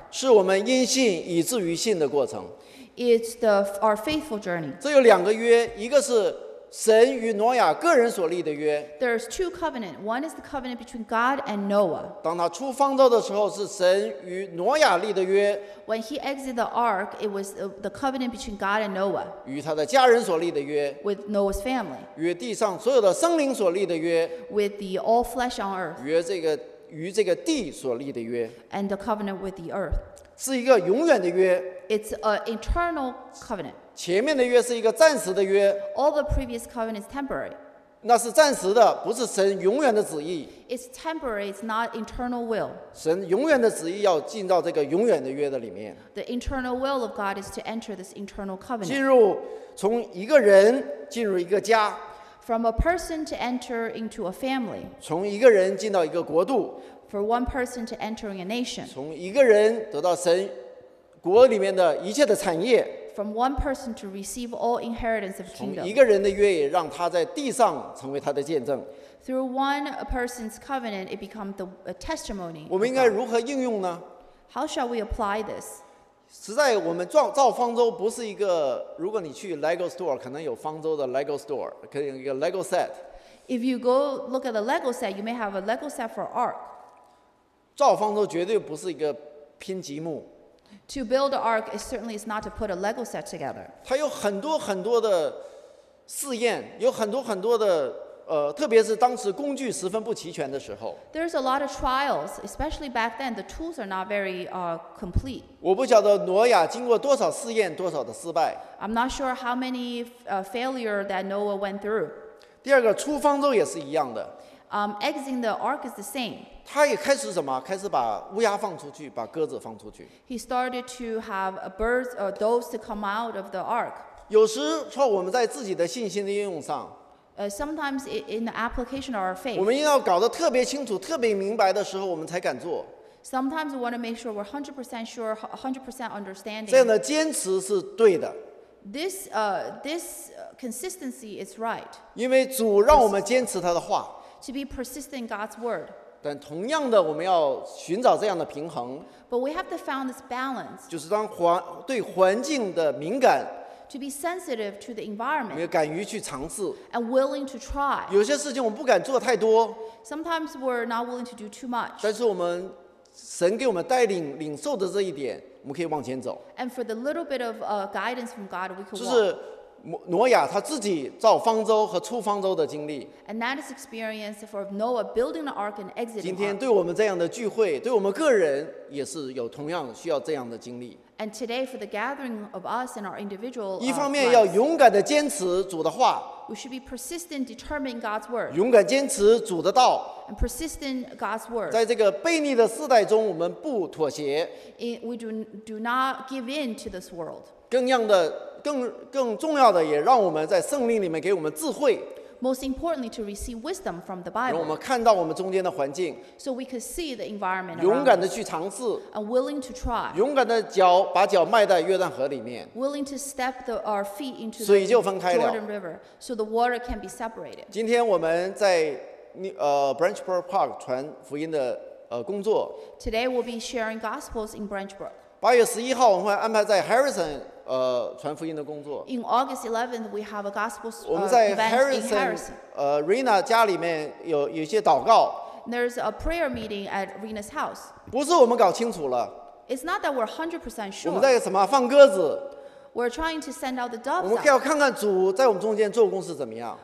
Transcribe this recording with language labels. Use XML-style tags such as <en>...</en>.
<zh>是我们因信以至于信的过程。</zh> <en>It's the our faithful journey.</en> <zh>这有两个约，一个是神与挪亚个人所立的约。</zh> <en>There's two covenant. One is the covenant between God and Noah.</en> <zh>当他出方舟的时候，是神与挪亚立的约。</zh> <en>When he exited the ark, it was the covenant between God and Noah.</en> <zh>与他的家人所立的约。</zh> <en>With Noah's family.</en> <zh>与地上所有的生灵所立的约。</zh> <en>With the all flesh on earth.</en> <zh>约这个与这个地所立的约。</zh> <en>And the covenant with the earth.</en> <zh>是一个永远的约。</zh> <en>It's an eternal covenant.</en> <zh>前面的约是一个暂时的约。</zh> <en>All the previous covenant is temporary.</en> <zh>那是暂时的，不是神永远的旨意。</zh> <en>It's temporary, it's not eternal will.</en> <zh>神永远的旨意要进到这个永远的约的里面。</zh> <en>The eternal will of God is to enter this eternal covenant.</en> <zh>进入从一个人进入一个家。</zh> <en>From a person to enter into a family.</en> <zh>从一个人进到一个国度。</zh> <en>For one person to enter a nation.</en> <zh>从一个人得到神国里面的一切的产业。</zh> <en>From one person to receive all inheritance of kingdom.</en> <zh>从一个人的约也让他在地上成为他的见证。</zh> <en>Through one person's covenant, it becomes the testimony.</en> <zh>我们应该如何应用呢？</zh> <en>How shall we apply this?</en> <zh>实在我们造方舟不是一个，如果你去 Lego store, 可能有方舟的 Lego store, 可能有一个 Lego set.</zh> <en>If you go look at a Lego set, you may have a Lego set for ark.</en> <zh>造方舟绝对不是一个拼积木。</zh> <en>To build an ark, it certainly is not to put a Lego set together.</en> <zh>它有很多很多的试验，有很多很多的特别是当时工具十分不齐全的时候。</zh> <en>There's a lot of trials, especially back then. The tools are not very complete.</en> <zh>我不晓得挪亚经过多少试验，多少的失败。</zh> <en>I'm not sure how many failure that Noah went through.</en> <zh>第二个，出方舟也是一样的。</zh> <en>Exiting the ark is the same.</en> <zh>他也开始什么？开始把乌鸦放出去，把鸽子放出去。</zh> <en>He started to have birds or those to come out of the ark.</en> <zh>有时说我们在自己的信心的应用上。</zh> <en>Sometimes in the application of our faith.</en> <zh>我们要搞得特别清楚、特别明白的时候，我们才敢做。</zh> <en>Sometimes we want to make sure we're 100% sure, 100% understanding.</en> <zh>这样的坚持是对的。</zh> <en>This consistency is right.</en> <zh>因为主让我们坚持他的话。</zh> <en>To be persistent in God's word.</en> <zh>但同样的，我们要寻找这样的平衡。</zh> <en>But we have to find this balance.</en> <zh>就是当对环境的敏感。</zh> <en>To be sensitive to the environment.</en> <zh>也敢于去尝试。</zh> <en>And willing to try.</en> <zh>有些事情我们不敢做太多。</zh> <en>Sometimes we're not willing to do too much.</en> <zh>但是我们神给我们带领领受的这一点，我们可以往前走。</zh> <en>And for the little bit of guidance from God, we can walk.</en> <zh>就是挪亚他自己造方舟和出方舟的经历。</zh> <en>And that is experience for Noah building the ark and exiting.</en> <zh>今天对我们这样的聚会，对我们个人也是有同样需要这样的经历。</zh> <en>And today for the gathering of us and our individual.</en> <zh>一方面要勇敢的坚持主的话。</zh> <en>We should be persistent, determining God's word.</en> <zh>勇敢坚持主的道。</zh> <en>And persisting God's word.</en> <zh>在这个悖逆的世代中，我们不妥协。</zh> <en>We do not give in to this world.</en> <zh>更重要的，也让我们在圣灵里面给我们智慧。</zh> <en>Most importantly, to receive wisdom from the Bible.</en> <zh>让我们看到我们中间的环境。</zh> <en>So we could see the environment.</en> <zh>勇敢的去尝试。</zh> <en>And willing to try.</en> <zh>勇敢的脚把脚迈在约旦河里面。</zh> <en>Willing to step our feet into the</en> <zh>水就分开了。</zh> <en>Jordan River, so the water can be separated.</en> <zh>今天我们在Branchburg Park 传福音的工作。</zh> <en>Today we'll be sharing gospels in Branchburg.</en> <zh>八月十一号我们会安排在 Harrison。传福音的工作。</zh> <en>In August 11th, we have a gospel event.</en> <zh>我们在 Harrison, Rena 家里面有一些祷告。</zh> <en>There's a prayer meeting at Rena's house.</en> <zh>不是我们搞清楚了。</zh> <en>It's not that we're 100% sure.</en> <zh>我们在什么放鸽子。</zh> <en>We're trying to send out the doves.</en> <zh>我们要看看主在我们中间做工是怎么样。</zh>